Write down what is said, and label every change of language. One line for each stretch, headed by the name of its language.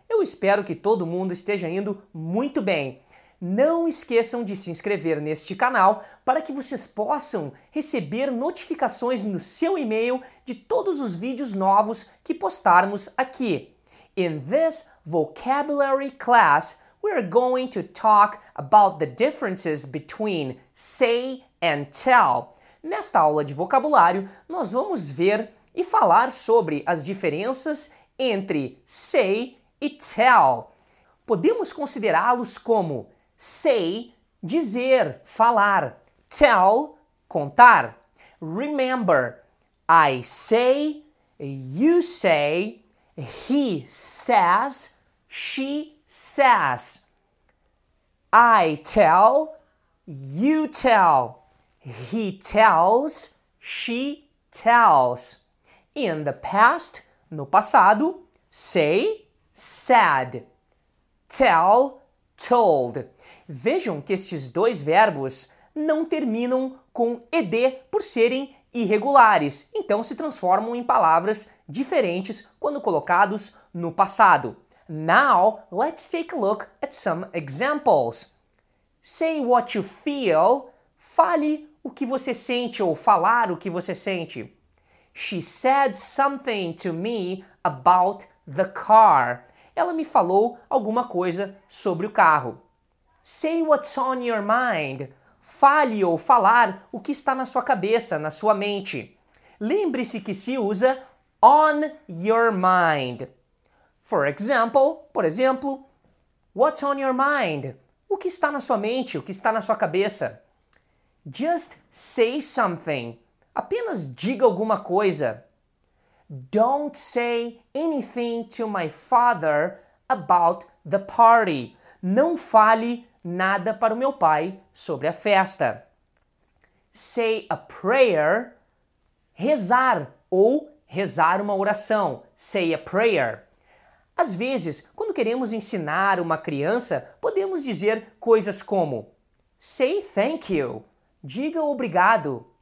Portuguese: Eu espero que todo mundo esteja indo muito bem. Não esqueçam de se inscrever neste canal para que vocês possam receber notificações no seu e-mail de todos os vídeos novos que postarmos aqui.
English: In this vocabulary class, we are going to talk about the differences between say and tell.
Portuguese: Nesta aula de vocabulário, nós vamos ver e falar sobre as diferenças entre say e tell. Podemos considerá-los como say, dizer, falar, tell, contar.
English: Remember, I say, you say, he says, she says. I tell, you tell, he tells, she tells. In the past,
Portuguese: no passado,
English: say, said, tell, told.
Portuguese: Vejam que estes dois verbos não terminam com ed por serem irregulares, então se transformam em palavras diferentes quando colocados no passado.
English: Now, let's take a look at some examples. Say what you feel.
Portuguese: Fale o que você sente ou falar o que você sente.
English: She said something to me about the car.
Portuguese: Ela me falou alguma coisa sobre o carro.
English: Say what's on your mind.
Portuguese: Fale ou falar o que está na sua cabeça, na sua mente. Lembre-se que se usa on your mind.
English: For example,
Portuguese: por exemplo,
English: what's on your mind?
Portuguese: O que está na sua mente, o que está na sua cabeça?
English: Just say something.
Portuguese: Apenas diga alguma coisa.
English: Don't say anything to my father about the party.
Portuguese: Não fale nada para o meu pai sobre a festa.
English: Say a prayer.
Portuguese: Rezar ou rezar uma oração.
English: Say a prayer.
Portuguese: Às vezes, quando queremos ensinar uma criança, podemos dizer coisas como
English: say thank you,
Portuguese: diga obrigado.